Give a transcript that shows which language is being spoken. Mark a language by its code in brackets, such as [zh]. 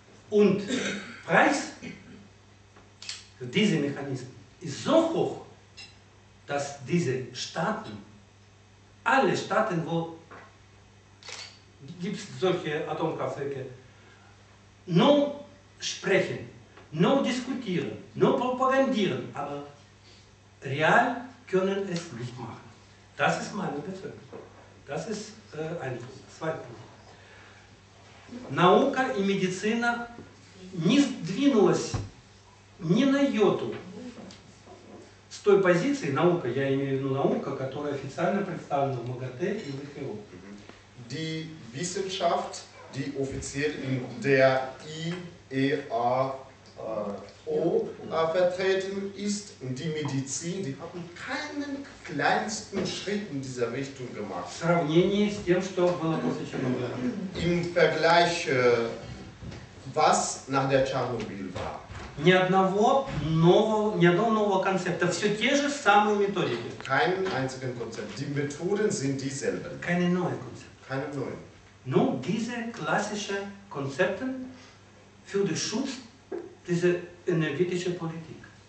[de] Und Preis für diese Mechanismen ist so hoch, dass diese Staaten, alle Staaten, wo gibt es solche Atomkraftwerke, nur sprechen, nur diskutieren, nur propagandieren, aber real können es nicht machen. Das ist meine Befürchtung. Das ist ein Punkt. Zwei Punkte. [ru] Наука и медицина не сдвинулась ни на йоту с той позиции, наука, я имею в виду наука, которая официально представлена в МАГАТЭ и ВХО. [de] Die Wissenschaft, die offiziell in der IEAO vertreten ist, und die Medizin, die haben keinen kleinsten Schritt in dieser Richtung gemacht. [ru] В сравнении с тем, что было после Чернобыля. [de] Im Vergleich, was nach der Tschernobyl war. [ru] Ни одного нового концепта. Все те же самые методики. [de] Keinen einzigen Konzept. Die Methoden sind dieselben. Keine neuen Konzepte. Keine neuen. Nun diese klassischen Konzepte für den Schutz dieser energetischen Politik.